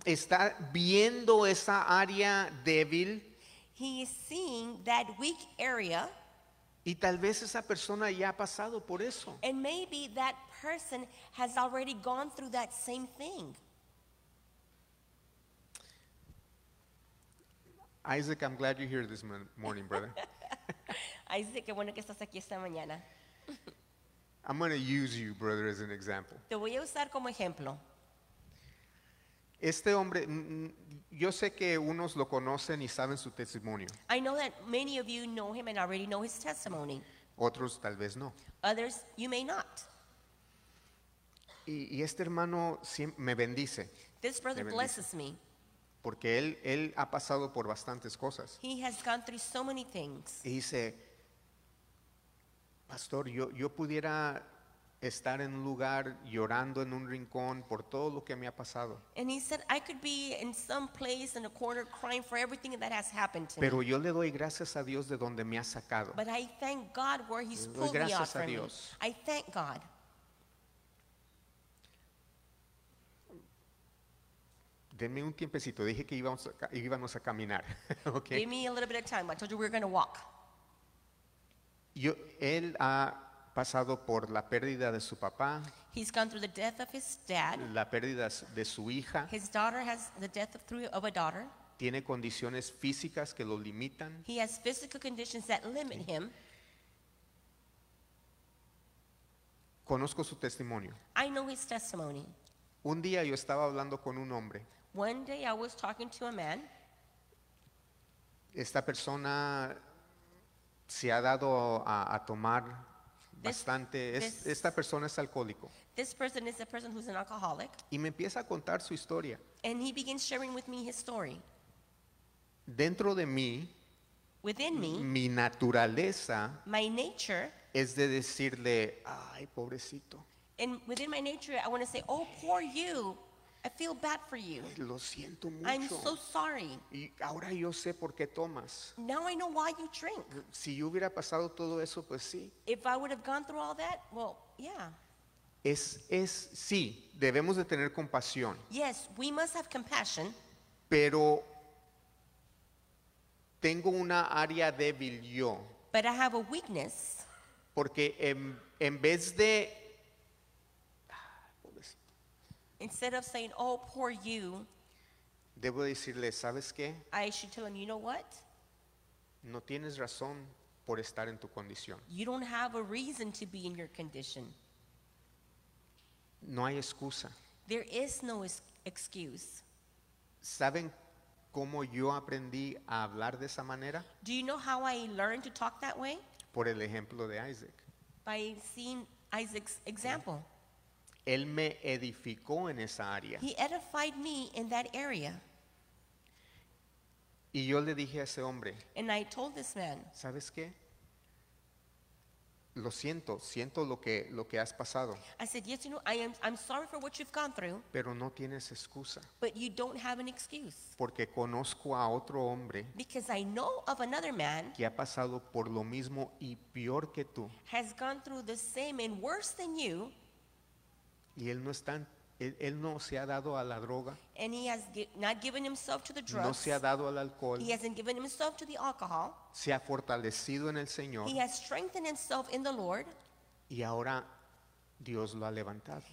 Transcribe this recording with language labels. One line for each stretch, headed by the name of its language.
Spanish: Está viendo esa área débil.
English: He is seeing that weak area.
Spanish: Y tal vez esa persona ya ha pasado por eso.
English: And maybe that person has already gone through that same thing. Isaac, I'm glad you're here this morning, brother.
Spanish: Isaac, qué bueno que estás aquí esta mañana.
English: I'm going to use you, brother, as an example.
Spanish: Te voy a usar como ejemplo. Este hombre, yo sé que unos lo conocen y saben su testimonio.
English: I know that many of you know him and already know his testimony.
Spanish: Otros tal vez no.
English: Others, you may not.
Spanish: Y este hermano me bendice.
English: This brother
Spanish: bendice.
English: Blesses me.
Spanish: Porque él ha pasado por bastantes cosas.
English: He has gone through so many things.
Spanish: Y dice, pastor, yo pudiera estar en un lugar llorando en un rincón por todo lo que me ha pasado.
English: And he said, I could be in some place in a corner crying for everything that has happened to me.
Spanish: Pero yo le doy gracias a Dios de donde me ha sacado.
English: But I thank God where he's pulled me out from.
Spanish: Gracias a Dios.
English: I thank God.
Spanish: Denme un tiempecito, dije que íbamos a caminar.
English: Okay. Give me a little bit of time. I told you we were going to walk.
Spanish: Él ha pasado por la pérdida de su papá.
English: He's gone through the death of his dad.
Spanish: La pérdida de su hija.
English: His daughter has the death of a daughter.
Spanish: Tiene condiciones físicas que lo limitan.
English: He has physical conditions that limit okay. him.
Spanish: Conozco su testimonio.
English: I know his testimony.
Spanish: Un día yo estaba hablando con un hombre.
English: One day I was talking to a man.
Spanish: Esta persona se ha dado a tomar bastante. Esta persona es alcohólico.
English: This person is a person who's an alcoholic.
Spanish: Y me empieza a contar su historia.
English: And he begins sharing with me his story.
Spanish: Dentro de mí,
English: within me,
Spanish: mi naturaleza,
English: my nature,
Spanish: es de decirle, ay, pobrecito.
English: And within my nature, I want to say, oh, poor you. I feel bad for you.
Spanish: Lo siento mucho.
English: I'm so sorry.
Spanish: Y ahora yo sé por qué tomas.
English: Now I know why you drink.
Spanish: Si yo hubiera pasado todo eso, pues sí.
English: If I would have gone through all that, well, yeah.
Spanish: Es sí, debemos de tener compasión.
English: Yes, we must have compassion.
Spanish: Pero tengo una área débil yo.
English: But I have a weakness.
Spanish: Porque en vez de
English: instead of saying, oh, poor you,
Spanish: debo decirle, ¿sabes qué?
English: I should tell him, you know what?
Spanish: No tienes razón por estar en tu condición.
English: You don't have a reason to be in your condition.
Spanish: No hay excusa.
English: There is no excuse.
Spanish: ¿Saben cómo yo aprendí a hablar de esa manera?
English: Do you know how I learned to talk that way?
Spanish: Por el ejemplo de Isaac.
English: By seeing Isaac's example. Yeah.
Spanish: Él me edificó en esa área.
English: He edified me in that area.
Spanish: Y yo le dije a ese hombre.
English: And I told this man.
Spanish: ¿Sabes qué? Lo siento. Siento lo que has pasado.
English: I said, yes, you know, I'm sorry for what you've gone through.
Spanish: Pero no tienes excusa.
English: But you don't have an excuse.
Spanish: Porque conozco a otro hombre.
English: Because I know of another man.
Spanish: Que ha pasado por lo mismo y peor que tú.
English: Has gone through the same and worse than you.
Spanish: Y él no está él no se ha dado a la droga.
English: And he has not given himself to the drugs.
Spanish: No se ha dado al alcohol.
English: He hasn't given himself to the alcohol.
Spanish: Se ha fortalecido en el Señor.
English: He has strengthened himself in the Lord.
Spanish: Y ahora Dios lo ha levantado.